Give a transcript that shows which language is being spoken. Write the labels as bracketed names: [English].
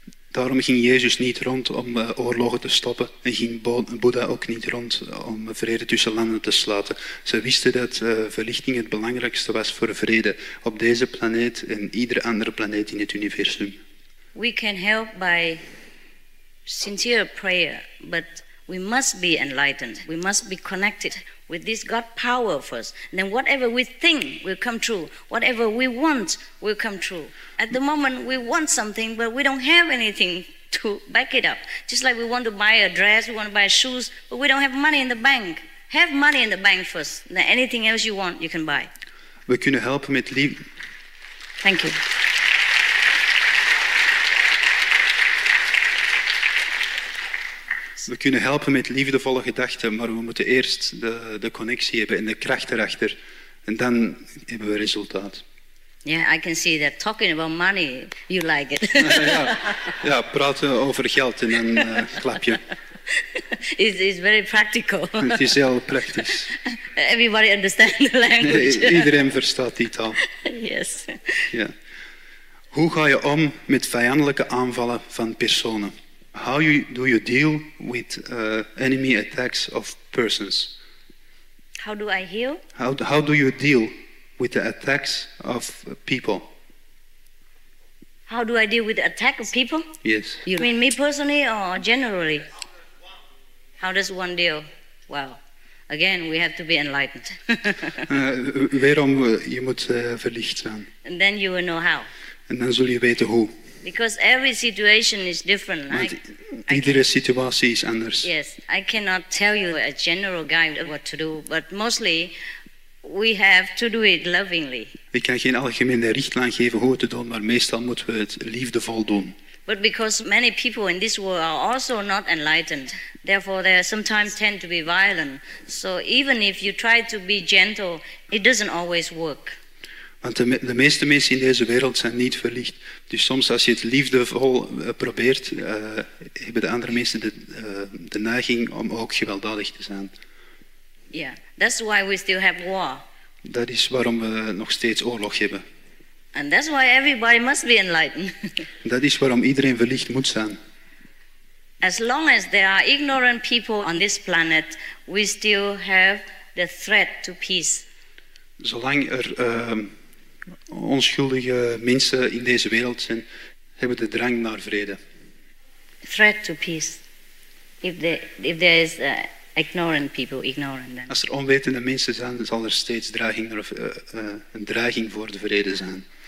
[Dutch] Daarom ging Jezus niet rond om oorlogen te stoppen en ging Boeddha ook niet rond om vrede tussen landen te sluiten. Ze wisten dat verlichting het belangrijkste was voor vrede op deze planeet en iedere andere planeet in het universum. [English] We can help by sincere prayer, but we must be enlightened. We must be connected with this God power first. And then whatever we think will come true. Whatever we want will come true. At the moment, we want something, but we don't have anything to back it up. Just like we want to buy a dress, we want to buy shoes, but we don't have money in the bank. Have money in the bank first. And then anything else you want, you can buy. [Dutch] We kunnen helpen met liefde. [English] Thank you. [Dutch] We kunnen helpen met liefdevolle gedachten, maar we moeten eerst de connectie hebben en de kracht erachter. En dan hebben we resultaat. [English] Ja, yeah, I can see that talking about money, you like it. [Dutch] Ja, praten over geld en dan klap je. [English] It's very practical. [Dutch] Het is heel praktisch. [English] Everybody understands the language. Nee, [Dutch] iedereen verstaat die taal. [English] Yes. [Dutch] Ja. Hoe ga je om met vijandelijke aanvallen van personen? [English] How do you deal with enemy attacks of persons? How do I heal? How do you deal with the attacks of people? How do I deal with the attack of people? Yes. You mean me personally or generally? How does one deal? Well, again, we have to be enlightened. [Dutch] Waarom je moet verlicht zijn? [English] And then you will know how. [Dutch] En dan zul je weten hoe. [English] Because every situation is different. [Dutch] Iedere situatie is anders. [English] Yes, I cannot tell you a general guide what to do, but mostly we have to do it lovingly. [Dutch] Ik kan geen algemene richtlijn geven hoe het te doen, maar meestal moeten we het liefdevol doen. [English] But because many people in this world are also not enlightened, therefore they sometimes tend to be violent. So even if you try to be gentle, it doesn't always work. [Dutch] Want de meeste mensen in deze wereld zijn niet verlicht. Dus soms als je het liefdevol probeert, hebben de andere mensen de neiging om ook gewelddadig te zijn. [English] Yeah, that's why we still have war. [Dutch] Dat is waarom we nog steeds oorlog hebben. [English] And that's why everybody must be enlightened. [Dutch] Dat is waarom iedereen verlicht moet zijn. [English] As long as there are ignorant people on this planet, we still have the threat to peace. [Dutch] Zolang er onschuldige mensen in deze wereld zijn, hebben de drang naar vrede. [English] Threat to peace. If there is ignorant people, ignorant them. [Dutch] Als er onwetende mensen zijn, zal er steeds dreiging of een dreiging voor de vrede zijn.